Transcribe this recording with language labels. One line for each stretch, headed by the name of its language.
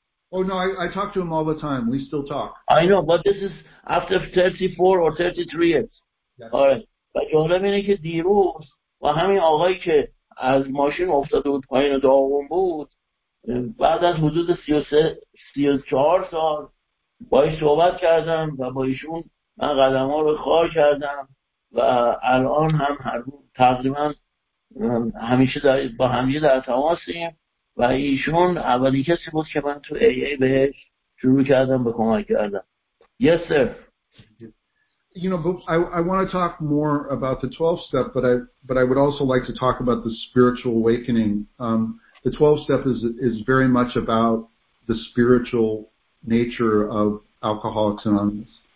English: Oh, no, I talk to him all the time. We still talk. I know, but this is after 34 or 33 years. Yes. All right. But the problem is that
Persian: دیروز و همین آقایی که از ماشین افتاده بود پایین داغون بود بعد از حدود 34 سال با ایش صحبت کردم و با ایشون من قدم ها رو خار کردم و الان هم هر روز تقریبا همیشه با همیشه در تماسیم و ایشون اولین کسی بود که من تو AA بهش شروع کردم به کمک کردم.
English: Yes, sir. You know, I want to talk more about the 12 step, but I would also like to talk about the spiritual awakening. The 12 step is very much about the spiritual nature of Alcoholics Anonymous.